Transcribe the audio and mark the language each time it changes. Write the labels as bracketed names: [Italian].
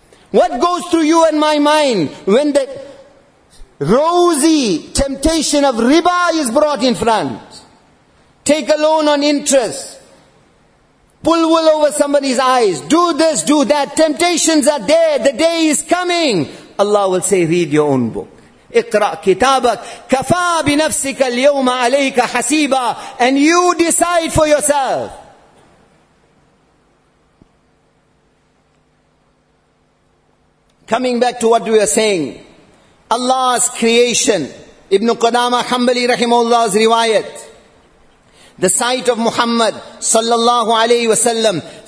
[English] What goes through you and my mind when the rosy temptation of riba is brought in front? Take a loan on interest. Pull wool over somebody's eyes. Do this, do that. Temptations are there. The day is coming. Allah will say, read your own book. [Arabic] اقرأ كتابك. كفى بنفسك اليوم عليك حسيبا. [English] And you decide for yourself. Coming back to what we are saying. Allah's creation. Ibn Qudama Hanbali rahimahullah's riwayat. The sight of Muhammad sallallahu alayhi wa sallam.